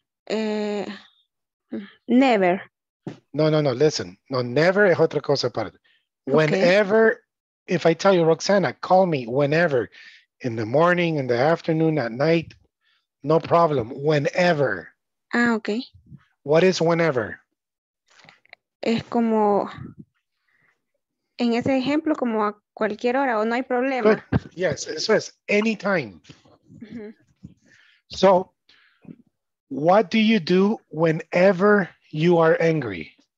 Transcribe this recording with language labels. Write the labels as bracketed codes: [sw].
[en] Never. No, listen. No, never [es] es otra cosa para. [en] Whenever, okay. If I tell you, Roxana, call me whenever, in the morning, in the afternoon, at night, no problem. Whenever. Ah, okay. What is whenever? [es] Es como, en ese ejemplo, como a cualquier hora o no hay problema. [en] Good. Yes, [es] eso es, [en] any time. Mm-hmm. So, what do you do whenever you are angry?